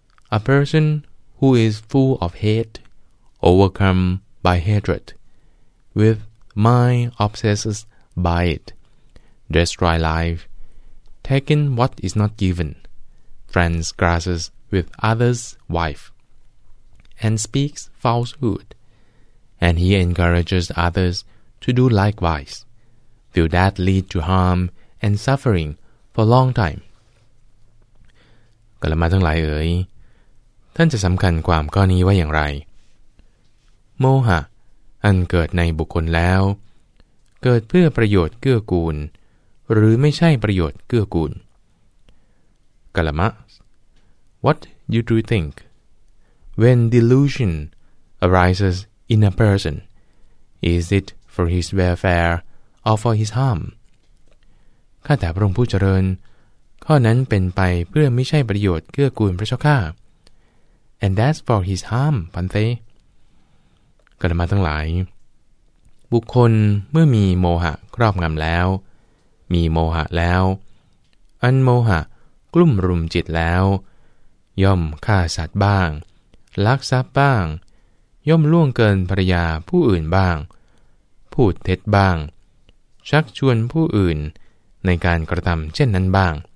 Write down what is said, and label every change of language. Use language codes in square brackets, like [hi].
[en] A person who is full of hate, overcome by hatred, with mind obsessed by it, destroy life, taking what is not given, transgresses with others' wife, and speaks falsehood, and he encourages others to do likewise. Will that lead to harm and suffering for a long time? [th] กาลมะทั้งหลายเอ๋ยท่านจะสำคัญความข้อนี้ว่าอย่างไรโมหะอันเกิดในบุคคลแล้วเกิดเพื่อประโยชน์เกื้อกูลหรือไม่ใช่ประโยชน์เกื้อกูลกาลมะ [en] What do you think? When delusion arises in a person, is it for his welfare or for his harm? [th] ข้าแต่พระองค์ผู้เจริญข้อนั้นเป็นไปเพื่อไม่ใช่ประโยชน์เกื้อกูลพระเจ้าข้า [en] And that's for his harm, Pante. [th] กาลมะทั้งหลายบุคคลเมื่อมีโมหะครอบงำแล้วมีโมหะแล้วอันโมหะกลุ่มรุมจิตแล้วย่อมฆ่าสัตว์บ้างลักทรัพย์บ้างย่อมล่วงเกินภรรยาผู้อื่นบ้างพูดเท็จบ้างชักชวนผู้อื่นในการกระทำเช่นนั้นบ้าง